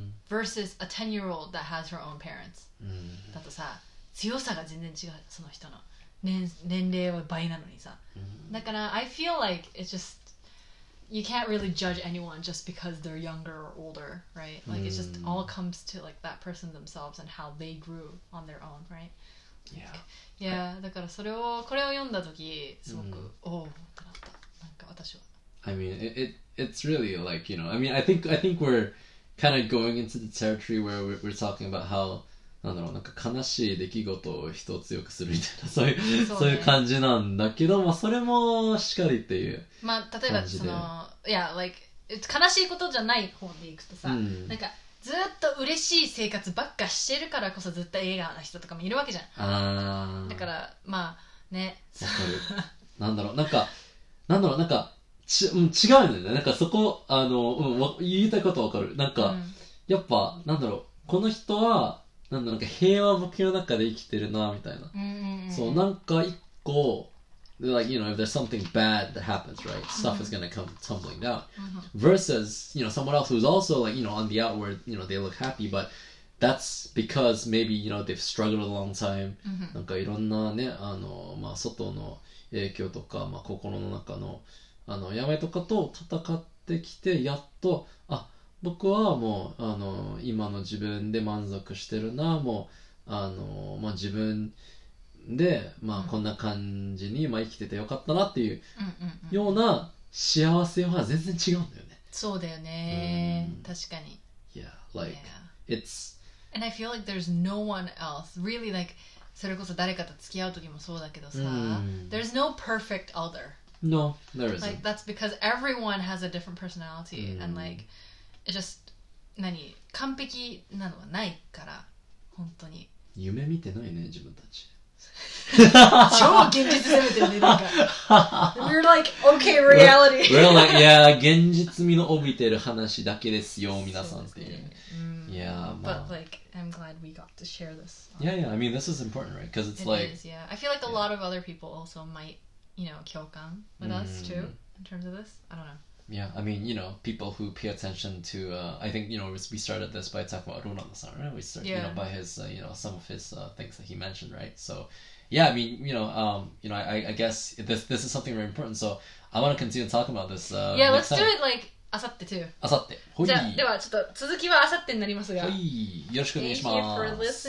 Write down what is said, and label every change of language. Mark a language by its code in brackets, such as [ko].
[en] versus a 10-year-old that has her own parents、 [ja] だとさ強さが全然違う、その人の 年齢は倍なのにさ、だから [en] I feel like it's just you can't really judge anyone just because they're younger or older, right? Like it just all comes to like that person themselves and how they grew on their own, right? Yeah. Yeah, [ja] だからそれをこれを読んだ時すごく、おーってなった。なんか私は。 [en] I mean, it's really like, you know, I mean, I think we're kind of going into the territory where we're talking about how, [ja] なんだろう、なんか悲しい出来事を人を強くするみたいな、そういう感じなんだけど、まあそれもしかりっていう感じで。まあ例えばその、 [en] yeah, like, [ja] 悲しいことじゃない方でいくとさ、なんか、ずっと嬉しい生活ばっかしてるからこそ絶対笑顔な人とかもいるわけじゃん。あだからまあね。わかる。なんだろうなんかなんだろうなんかち違うんだよね。なんかそこ言いたいことわかる。なんか、やっぱなんだろうこの人はなんだろうなんか平和ボケの中で生きてるなみたいな。うんうんうん、そうなんか一個。 [en] Like, you know, if there's something bad that happens, right, stuff is going to come tumbling down. Versus, you know, someone else who's also, like, you know, on the outward, you know, they look happy, but that's because maybe, you know, they've struggled a long time. [ja] なんかいろんなね、まあ、外の影響とか、まあ、心の中の、病とかと戦ってきて、やっと、あ、僕はもう、今の自分で満足してるな、もう、まあ、自分、で、まあ、こんな感じに、まあ、生きててよかったなっていうような幸せは全然違うんだよね。そうだよね。確かに。 [en] Yeah, like, yeah. it's... And I feel like there's no one else. Really, like, [ja] それこそ誰かと付き合う時もそうだけどさ。 [en] There's no perfect other. No, there isn't. Like, that's because everyone has a different personality. And like, it just... [ja] 何完璧なのはないから、本当に。夢見てないね、自分たち。超現実攻めてるね、なんか。 [en] We're like, okay, reality. We're like, yeah, [ja] 現実味の帯びてる話だけですよ、皆さんっていう。うね、 [en] yeah, but [ja] まあ。 [en] Like, I'm glad we got to share this. Yeah, yeah, I mean, this is important, right? Because it's it like... It is, yeah. I feel like a lot of other people also might, you know, 共感 with us too, in terms of this. I don't know. Yeah, I mean, you know, people who pay attention to, I think, you know, we started this by talking about Runanda-san, right? We started, you know, by his, you know, some of his things that he mentioned, right? So, yeah, I mean, you know, I guess this is something very important. So, I want to continue talking about this. Yeah, let's do it like Asatte too. [ja] Asatte. Hoi. ではちょっと続きは明後日になりますが。はい。よろしくお願いします。